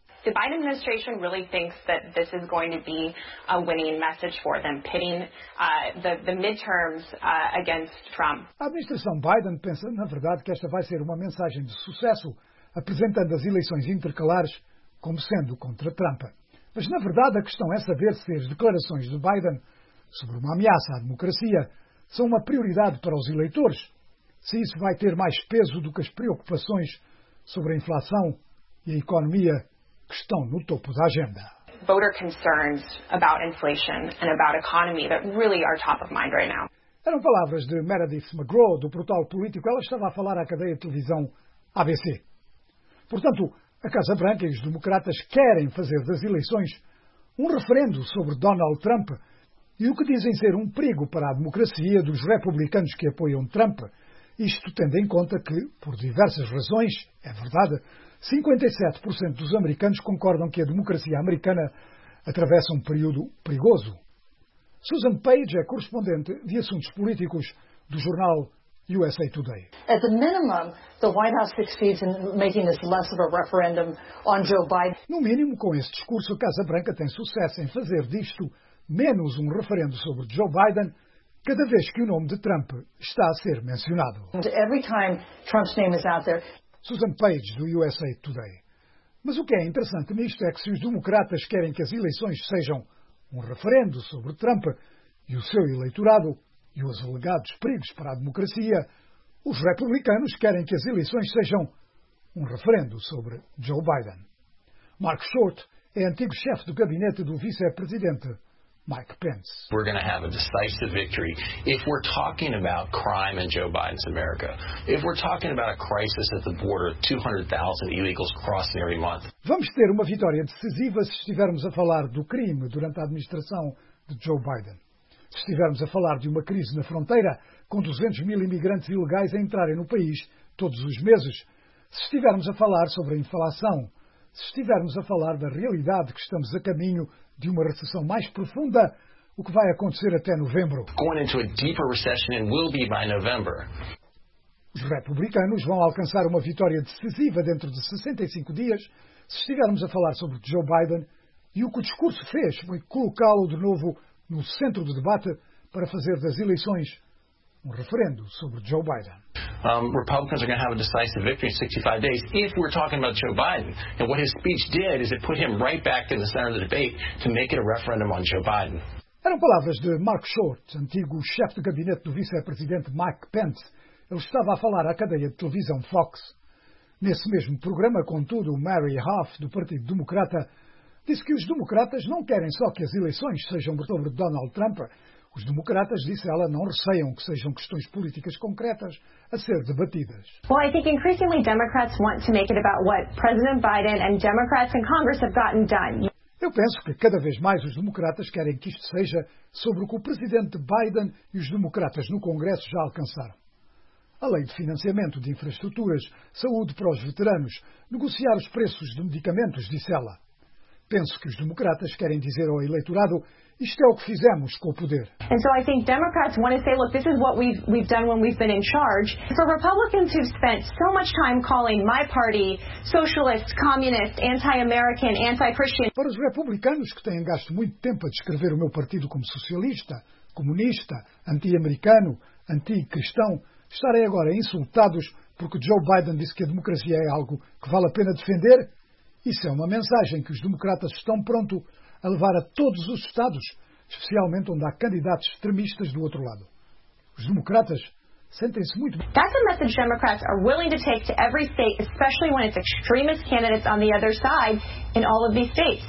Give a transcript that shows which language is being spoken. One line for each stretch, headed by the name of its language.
English: The Biden administration really thinks that this is going to be a winning message for them, pitting the midterms against Trump.
Portuguese: A administração Biden pensa, na verdade, que esta vai ser uma mensagem de sucesso, apresentando as eleições intercalares como sendo contra Trump. Mas, na verdade, a questão é saber se as declarações de Biden sobre uma ameaça à democracia são uma prioridade para os eleitores, se isso vai ter mais peso do que as preocupações sobre a inflação e a economia que estão no topo da agenda.
English: Voter concerns about inflation and about economy that really are top of mind right now.
Portuguese: Eram palavras de Meredith McGraw, do Portal Político. Ela estava a falar à cadeia de televisão ABC. Portanto, a Casa Branca e os democratas querem fazer das eleições um referendo sobre Donald Trump e o que dizem ser um perigo para a democracia dos republicanos que apoiam Trump, isto tendo em conta que, por diversas razões, é verdade, 57% dos americanos concordam que a democracia americana atravessa um período perigoso. Susan Page é correspondente de assuntos políticos do jornal USA Today.
English: At the minimum, the White House succeeds in making this less of a referendum on Joe Biden.
Portuguese: No mínimo, com esse discurso, a Casa Branca tem sucesso em fazer disto menos um referendo sobre Joe Biden cada vez que o nome de Trump está a ser mencionado.
English: Every time Trump's name is out there.
Portuguese: Susan Page, do USA Today. Mas o que é interessante nisto é que se os democratas querem que as eleições sejam um referendo sobre Trump e o seu eleitorado e os alegados perigos para a democracia, os republicanos querem que as eleições sejam um referendo sobre Joe Biden. Mark Short é antigo chefe do gabinete do vice-presidente Mike Pence.
English: We're going to have a decisive victory if we're talking about crime in Joe Biden's America. If we're talking about a crisis at the border, 200,000 illegals crossing every month.
Portuguese: Vamos ter uma vitória decisiva se estivermos a falar do crime durante a administração de Joe Biden. Se estivermos a falar de uma crise na fronteira com 200 mil imigrantes ilegais a entrarem no país todos os meses. Se estivermos a falar sobre a inflação. Se estivermos a falar da realidade que estamos a caminho de uma recessão mais profunda, o que vai acontecer até novembro.
English: Going into a deeper recession and will be by November.
Portuguese: Os republicanos vão alcançar uma vitória decisiva dentro de 65 dias se estivermos a falar sobre Joe Biden e o que o discurso fez foi colocá-lo de novo no centro do debate para fazer das eleições um referendo sobre Joe Biden.
English: Republicans are going to have a decisive victory in 65 days if we're talking about Joe Biden. And what his speech did is it put him right back in the center of the debate to make it a referendum on Joe Biden.
Portuguese: Eram palavras de Mark Short, antigo chefe de gabinete do vice-presidente Mike Pence. Ele estava a falar à cadeia de televisão Fox. Nesse mesmo programa, contudo, Mary Huff, do Partido Democrata, disse que os democratas não querem só que as eleições sejam sobre Donald Trump. Os democratas, disse ela, não receiam que sejam questões políticas concretas a ser debatidas.
English: Well, I think increasingly Democrats want to make it about what President Biden and Democrats in Congress have gotten done.
Portuguese: Eu penso que cada vez mais os democratas querem que isto seja sobre o que o presidente Biden e os democratas no Congresso já alcançaram. A lei de financiamento de infraestruturas, saúde para os veteranos, negociar os preços de medicamentos, disse ela. Penso que os democratas querem dizer ao eleitorado isto é o que fizemos com o poder.
English: And so I think Democrats want to say, look, this is what we've done when we've been in charge. For Republicans who've spent so much time calling my party socialist, communist, anti-American, anti-Christian.
Portuguese: Para os republicanos que têm gasto muito tempo a descrever o meu partido como socialista, comunista, anti-americano, anti-cristão, estarem agora insultados porque Joe Biden disse que a democracia é algo que vale a pena defender. Isso é uma mensagem que os democratas estão prontos a levar a todos os estados, especialmente onde há candidatos extremistas do outro lado. Os democratas sentem-se muito...
English: That's a message Democrats are willing to take to every state, especially when it's extremist candidates on the other side in all of these states.